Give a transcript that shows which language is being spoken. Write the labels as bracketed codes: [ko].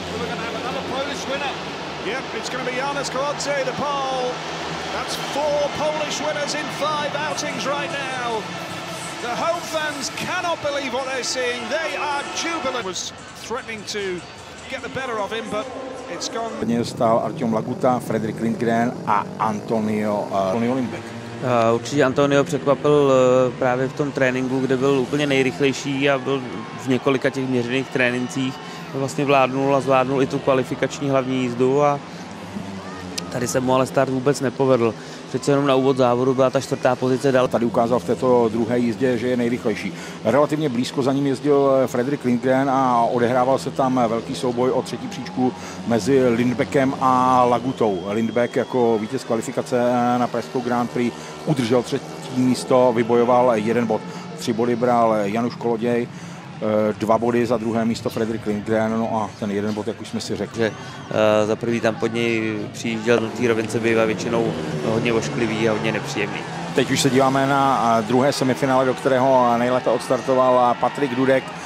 [en] We're going to have another Polish winner. Yep, it's going to be Janusz Kołodziej, the pole. That's four Polish winners in five outings right now. The home fans cannot believe what they're seeing. They are jubilant. Was threatening to get the better of him, but it's gone. [cs] Nie stał Artiom Laguta, Fredrik Lindgren a Antonio Limbeck. Určitě Antonio překvapil právě v tom tréninku, kde byl úplně nejrychlejší a byl v několika těch měřených trénincích. Vlastně vládnul a zvládnul i tu kvalifikační hlavní jízdu a tady se mu ale start vůbec nepovedl. Přece jenom na úvod závodu byla ta čtvrtá pozice dál. Tady ukázal v této druhé jízdě, že je nejrychlejší. Relativně blízko za ním jezdil Fredrik Lindgren a odehrával se tam velký souboj o třetí příčku mezi Lindbeckem a Lagutou. Lindbeck jako vítěz kvalifikace na Pražskou Grand Prix udržel třetí místo, vybojoval jeden bod. Tři body bral Janusz Kołodziej. Dva body za druhé místo Fredrik Lindgren, no a ten jeden bod, jak už jsme si řekli. Že, za prvý tam pod něj přijížděl, do té rovince bývá většinou hodně ošklivý a hodně nepříjemný. Teď už se díváme na druhé semifinále, do kterého nejlépe odstartoval Patrik Dudek.